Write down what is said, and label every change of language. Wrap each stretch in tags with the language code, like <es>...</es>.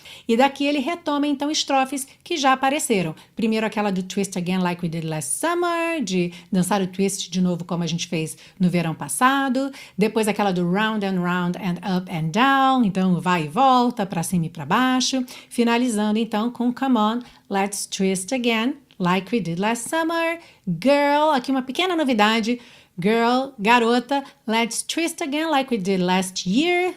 <pt>E daqui ele retoma então estrofes que já apareceram. Primeiro aquela do</pt> <en>Twist Again, like we did last summer,</en> <pt>de dançar o twist de novo, como a gente fez no verão passado. Depois aquela do</pt> <en>round and up and down,</en> <pt>então vai e volta, para cima e para baixo. Finalizando então com</pt> <en>Come on, let's twist again, like we did last summer.</en> <pt>Girl, aqui uma pequena novidade.</pt> <en>Girl, garota, let's twist again, like we did last year.</en>